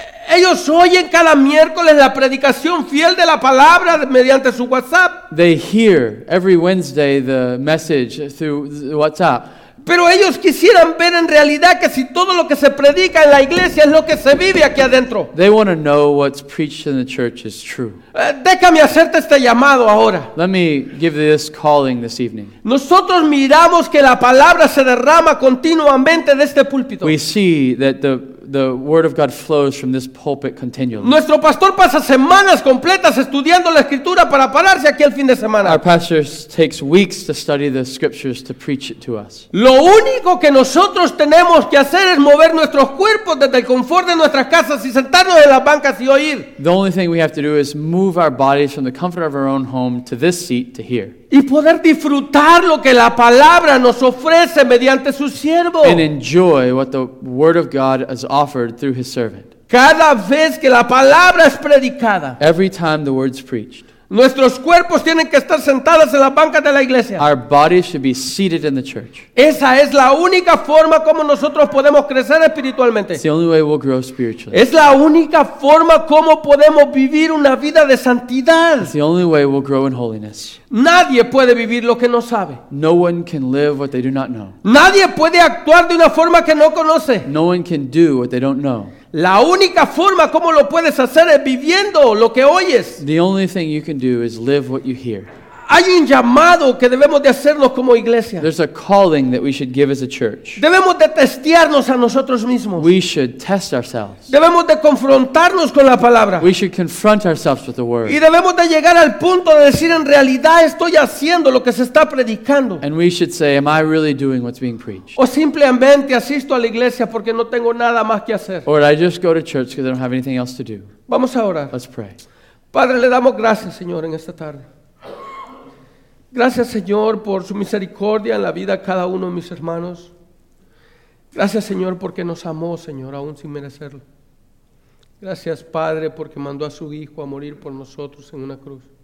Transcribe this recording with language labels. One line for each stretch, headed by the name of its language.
Spanish: Ellos oyen cada miércoles la predicación fiel de la palabra mediante su WhatsApp.
English: They hear every Wednesday the message through WhatsApp.
Spanish: Pero ellos quisieran ver en realidad que si todo lo que se predica en la iglesia es lo que se vive aquí adentro.
English: They want to know what's preached in the church is true.
Spanish: Déjame hacerte este llamado ahora.
English: Let me give this calling this evening.
Spanish: Nosotros miramos que la palabra se derrama continuamente de este púlpito.
English: We see that the word of God flows from this pulpit continually.
Spanish: Nuestro pastor pasa semanas completas estudiando la escritura para pararse aquí el fin de semana.
English: Our pastor takes weeks to study the scriptures to preach it to us.
Spanish: Lo único que nosotros tenemos que hacer es mover nuestros cuerpos desde el confort de nuestras casas y sentarnos en las bancas y oír.
English: The only thing we have to do is move our bodies from the comfort of our own home to this seat to hear.
Spanish: Y poder disfrutar lo que la palabra nos ofrece mediante su siervo.
English: And enjoy what the word of God has offered through his servant.
Spanish: Cada vez que la palabra es predicada.
English: Every time the word's preached.
Spanish: Nuestros cuerpos tienen que estar sentados en las bancas de la iglesia.
English: Our bodies should be seated in the church.
Spanish: Esa es la única forma como nosotros podemos crecer espiritualmente.
English: It's the only way we'll grow spiritually.
Spanish: Es la única forma como podemos vivir una vida de santidad.
English: It's the only way we'll grow in holiness.
Spanish: Nadie puede vivir lo que no sabe.
English: No one can live what they do not know.
Spanish: Nadie puede actuar de una forma que no conoce.
English: No one can do what they don't know.
Spanish: La única forma como lo puedes hacer es viviendo lo que oyes.
English: The only thing you can do is live what you hear.
Spanish: Hay un llamado que debemos de hacernos como iglesia.
English: There's a calling that we should give as a church.
Spanish: Debemos de testearnos a nosotros mismos.
English: We should test ourselves.
Spanish: Debemos de confrontarnos con la palabra.
English: We should confront ourselves with the word.
Spanish: Y debemos de llegar al punto de decir en realidad estoy haciendo lo que se está predicando.
English: And we should say, am I really doing what's being preached?
Spanish: O simplemente asisto a la iglesia porque no tengo nada más que hacer.
English: Or I just go to church because I don't have anything else to do.
Spanish: Vamos a orar.
English: Let's pray.
Spanish: Padre, le damos gracias, Señor, en esta tarde. Gracias, Señor, por su misericordia en la vida de cada uno de mis hermanos. Gracias, Señor, porque nos amó, Señor, aún sin merecerlo. Gracias, Padre, porque mandó a su Hijo a morir por nosotros en una cruz.